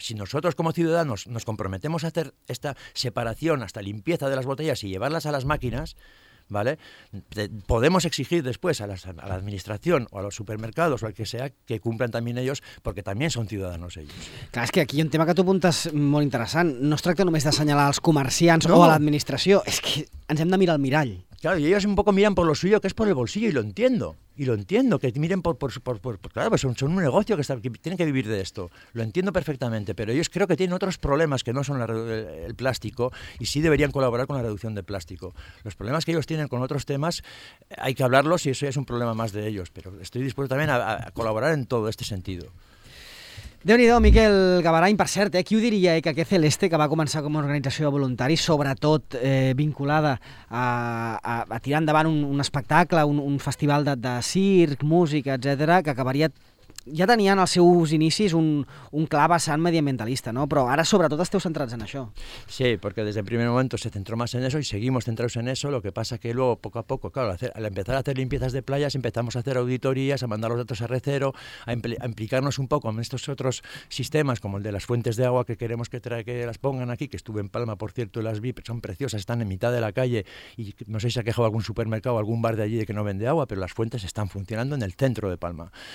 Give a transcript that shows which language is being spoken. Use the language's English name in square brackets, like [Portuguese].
[Spanish] Si nosotros como ciudadanos nos comprometemos a hacer esta separación hasta limpieza de las botellas y llevarlas a las máquinas, ¿vale? Podemos exigir después a la administración o a los supermercados o al que sea que cumplan también ellos, porque también son ciudadanos ellos. [Catalan] Clar, és que aquí hi ha un tema que tu apuntes molt interessant. No es tracta només d'assenyalar els comerciants o a l'administració, és que ens hem de mirar al mirall. [Spanish] Claro, y ellos un poco miran por lo suyo, que es por el bolsillo, y lo entiendo. Y lo entiendo, que miren por claro, pues son un negocio que tienen que vivir de esto. Lo entiendo perfectamente, pero ellos creo que tienen otros problemas que no son el plástico, y sí deberían colaborar con la reducción de plástico. Los problemas que ellos tienen con otros temas, hay que hablarlos, y eso ya es un problema más de ellos. Pero estoy dispuesto también a colaborar en todo este sentido. [Catalan] Déu-n'hi-do, Miquel Gavarany, per cert, qui ho diria, que aquest Celeste, que va començar com a organització de voluntaris, sobretot vinculada a tirar endavant un espectacle, un festival de circ, música, etc., que acabaria, ja tenia en els seus inicis un clar vessant mediambientalista, no? Però ara sobretot esteu centrats en això. [Spanish] Sí, porque desde el primer momento se centró más en eso y seguimos centrados en eso, lo que pasa que luego poco a poco, claro, al empezar a hacer limpiezas de playas empezamos a hacer auditorías, a mandar los datos a Recero, a implicarnos un poco en estos otros sistemas, como el de las fuentes de agua que queremos que las pongan aquí, que estuve en Palma, por cierto, las vi, son preciosas, están en mitad de la calle y no sé si se ha quejado algún supermercado o algún bar de allí de que no vende agua, pero las fuentes están funcionando en el centro de Palma.